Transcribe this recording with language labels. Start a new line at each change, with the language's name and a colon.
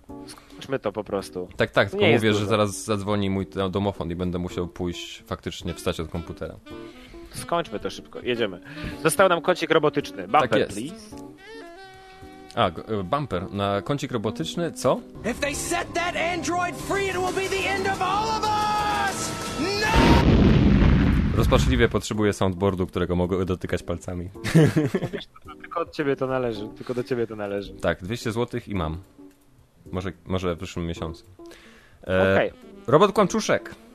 Polish: Skończmy to po prostu. Tak, tak, tylko nie mówię, że zaraz zadzwoni mój domofon i będę musiał pójść faktycznie wstać od komputera. Skończmy to szybko, jedziemy. Został nam kącik robotyczny. Bumper, tak jest.
English: Please.
Polish: Bumper na kącik robotyczny, co?
English: If they set that android free, it will be the end of all of us! No!
Polish: Rozpaczliwie potrzebuję soundboardu, którego mogę dotykać palcami. Tylko od ciebie to należy, tylko do ciebie to należy. Tak, 200 zł i mam. Może w przyszłym miesiącu.
English: Okay.
Polish: Robot kłamczuszek.